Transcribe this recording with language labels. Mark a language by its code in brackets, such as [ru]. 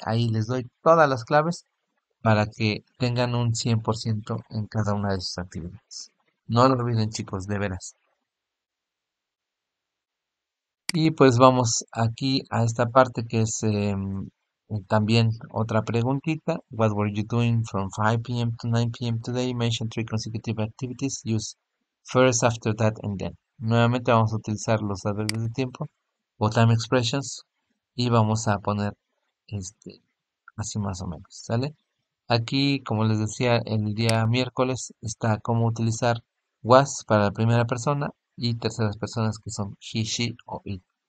[es] Ahí les doy todas las claves para que tengan un 100% en cada una de sus actividades. No lo olviden, chicos, de veras. Y pues vamos aquí a esta parte que es también otra preguntita. [en] What were you doing from 5 p.m. to 9 p.m. today? Mention three consecutive activities. Use first, after that, and then. [es] Nuevamente vamos a utilizar los adverbios de tiempo o [en] time expressions, [es] y vamos a poner así más o menos, ¿sale? Aquí, como les decía, el día miércoles está cómo utilizar was para la primera persona y terceras personas que son he, she o it.